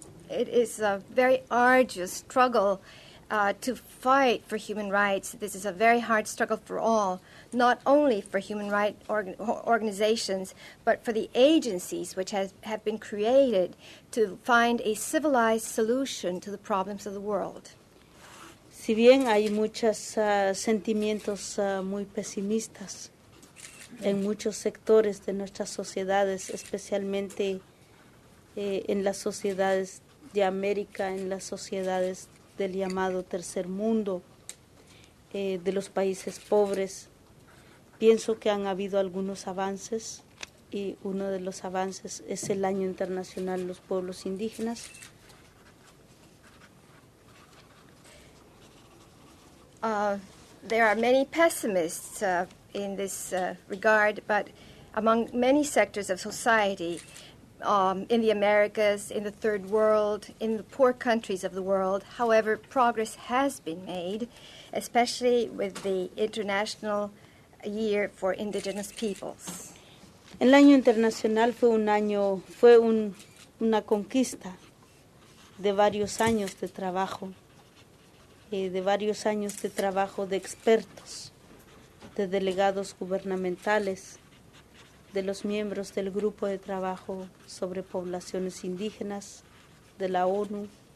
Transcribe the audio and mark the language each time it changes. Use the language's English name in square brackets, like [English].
[English] It is a very arduous struggle to fight for human rights. This is a very hard struggle for all, not only for human rights organizations, but for the agencies which have been created to find a civilized solution to the problems of the world. [Spanish] Si bien hay muchos sentimientos muy pesimistas en muchos sectores de nuestras sociedades, especialmente en las sociedades de América, en las sociedades del llamado tercer mundo, de los países pobres. Pienso que han habido algunos avances, y uno de los avances es el Año Internacional de los Pueblos Indígenas. [English] There are many pessimists in this regard, but among many sectors of society, in the Americas, in the Third World, in the poor countries of the world. However, progress has been made, especially with the International Year for Indigenous Peoples. [Spanish] El año internacional fue un año, fue una conquista de varios años de trabajo, de varios años de trabajo de expertos, de delegados gubernamentales, de los miembros del Grupo de Trabajo sobre Poblaciones Indígenas de la ONU,